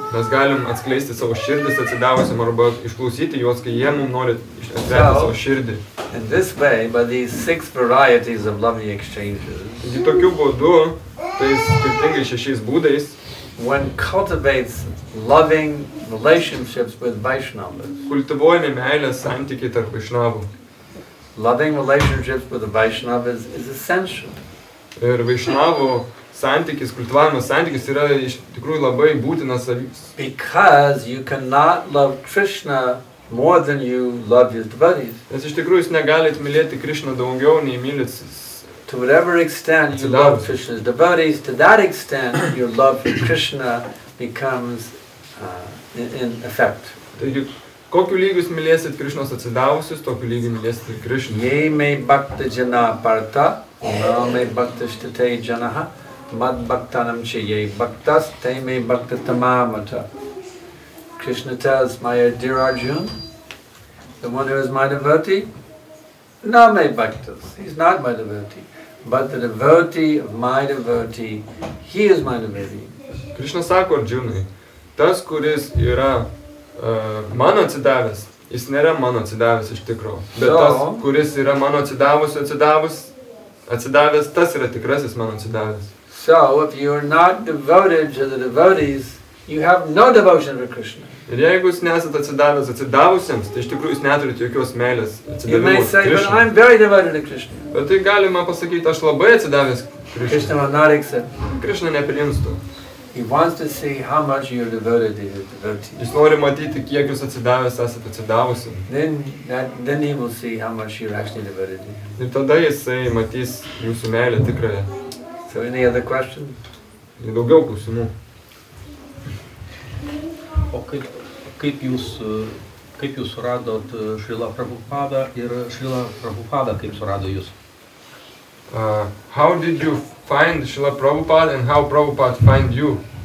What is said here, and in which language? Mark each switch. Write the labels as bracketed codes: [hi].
[lt] Mes galim atskleisti savo širdis atsidavusiam arba išklausyti juos, kai jie mums nori atverti savo širdį. [en] In this way, by these six varieties of loving exchanges, [lt] tokiu būdu, tais skirtingais šešiais būdais, [en] one cultivates loving relationships with Vaishnavas. [lt] Kultivuojami meilės santykiai tarp Vaishnavų. [en] Loving relationships with the Vaishnavas is essential. [lt] Ir Vaishnavų santykis, kultivavimas santykis yra iš tikrųjų labai būtinas. [en] Because you cannot love Krishna more than you love his devotees. [lt] Nes iš tikrųjų jūs negalite mylėti Krishna daugiau nei mylėti. [en] To whatever extent you love Krishna's devotees, to that extent your love for Krishna becomes in effect. [lt] Taigi, kokiu lygiu jūs mylėsit Krishnos atsidavusius, tokiu lygiu mylėsit ir Krishna. Jei mei bhakta jana parta, mei bhakta shtate janaha, mad bhaktanam chi jei bhaktas, te mei bhakta tamamata. [en] Krishna tells my dear Arjuna, the one who is my devotee, na mei bhaktas, he's not my devotee, but the devotee of my devotee, he is my devotee. [lt] Krishna sako Arjunai, tas, kuris yra mano atsidavęs, jis nėra mano atsidavęs iš tikro, bet [en] so, [lt] tas, kuris yra mano atsidavus, atsidavęs, tas yra tikrasis mano atsidavęs. [en] So, if you are not devoted to the devotees, you have no devotion for Krishna. [lt] Ir jeigu jūs nesat atsidavęs atsidavusiems, tai iš tikrųjų jūs neturite jokios meilės atsidavimo Krishna. Bet tai galima pasakyti, aš labai atsidavęs Krishna. Krishna neprims to. [en] He wants to see how much you are devoted to your devotee. [lt] Jis nori matyti, kiek jūs atsidavęs esat atsidavusiam. [en] Then he will see how much you are actually devoted to. [lt] Ir tada jisai matys jūsų meilę tikrąją. [en] So any other question? [lt] Daugiau klausimų. O kaip jūs suradot Srila Prabhupada ir Srila Prabhupada kaip surado jūs? [en] How did you find Srila Prabhupada and how Prabhupada find you?